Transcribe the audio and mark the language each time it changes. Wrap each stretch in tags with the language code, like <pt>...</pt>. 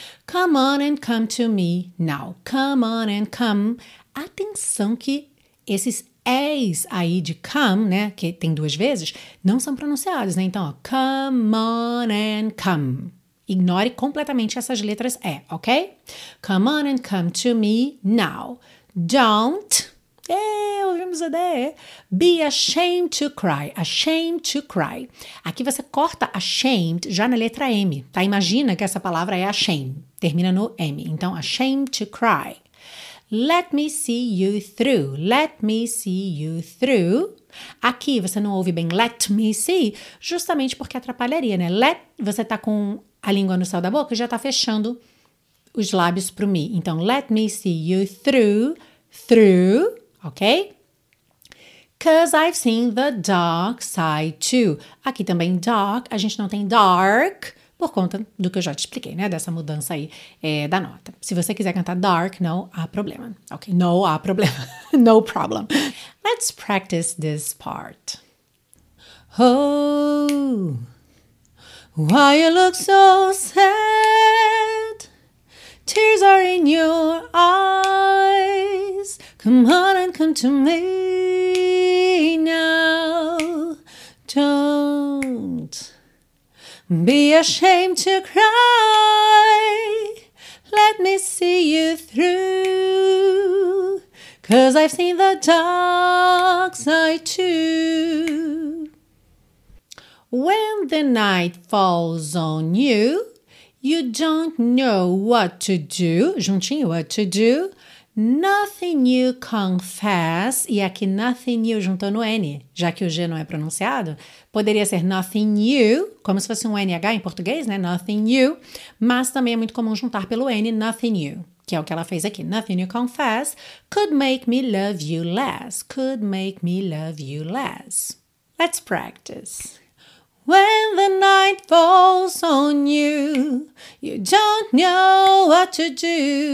<en>Come on and come to me now. Come on and come.</en> <pt>Atenção que esses S aí de come, né, que tem duas vezes, não são pronunciados, né? Então, ó, come on and come. Ignore completamente essas letras E, ok?</pt> <en>Come on and come to me now. Don't,</en> <pt>ouvimos a D,</pt> <en>be ashamed to cry, ashamed to cry.</en> <pt>Aqui você corta ashamed já na letra M, tá? Imagina que essa palavra é ashamed, termina no M. Então, ashamed to cry.</pt> <en>Let me see you through, let me see you through.</en> <pt>Aqui você não ouve bem let me see, justamente porque atrapalharia, né? Let, você tá com a língua no céu da boca e já tá fechando os lábios pro me. Então, let me see you through, through, ok?</pt> <en>Cause I've seen the dark side too.</en> <pt>Aqui também dark, a gente não tem dark, por conta do que eu já te expliquei, né? Dessa mudança aí da nota. Se você quiser cantar dark, não há problema. Ok? Não há problema.</pt> <en>No problem. Let's practice this part. Oh, why you look so sad? Tears are in your eyes. Come on and come to me now. Don't be ashamed to cry, let me see you through, cause I've seen the dark side too. When the night falls on you, you don't know what to do.</en> <pt>Juntinho,</pt> <en>what to do. Nothing you confess.</en> <pt>E aqui nothing you juntou no N, já que o G não é pronunciado. Poderia ser</pt> <en>nothing you,</en> <pt>como se fosse um NH em português, né? Nothing you. Mas também é muito comum juntar pelo N, nothing you, que é o que ela fez aqui.</pt> <en>Nothing you confess could make me love you less. Could make me love you less. Let's practice. When the night falls on you, you don't know what to do.</en>